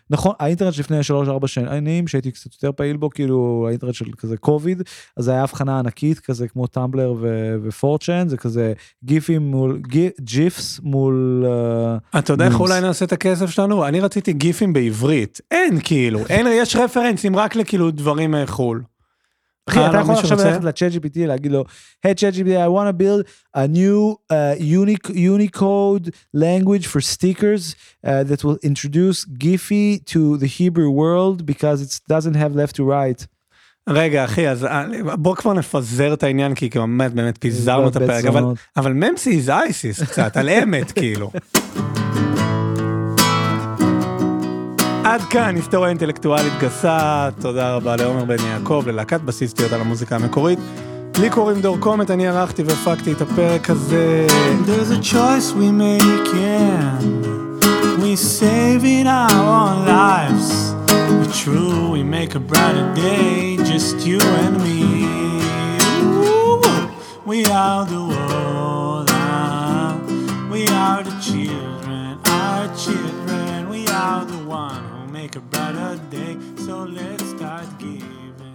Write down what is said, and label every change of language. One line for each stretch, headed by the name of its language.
Hebrew: נכון, האינטרנט שלפני 3-4 שנים, שהייתי קצת יותר פעיל בו, כאילו האינטרנט של כזה קוביד, אז זה היה הבחנה ענקית, כזה כמו טמבלר ופורצ'ן, זה כזה גיפים מול... ג'יפס מול... אתה יודע איך אולי נעשה את הכסף שלנו? אני רציתי גיפים בעברית. אין כאילו, אין, יש רפרנסים רק לכאילו דברים מחול. אחי, אתה יכול עכשיו ללכת ל-ChatGPT, להגיד לו,
English: hey, ChatGPT, I want to build a new Unicode language for stickers that will introduce Giphy to the Hebrew world because it doesn't have left to right.
Hebrew: רגע אחי, אז בוא כבר נפזר את העניין, כי באמת באמת פיזרנו את הפרק, אבל ממסי
English: is ISIS
Hebrew: קצת, על אמת כאילו. עד כאן, היסטוריה אינטלקטואלית גסה, תודה רבה לעומר בן יעקב, ללהקת בסיסטיות על המוזיקה המקורית. לי קוראים דור קומט, אני ערכתי ופקתי את הפרק הזה.
English: There's a choice we make, yeah. We save in our own lives. It's true, we make a brighter day, just you and me. Ooh, we are the world, we are the children, our children. We are the one who make a brighter day, so let's start giving.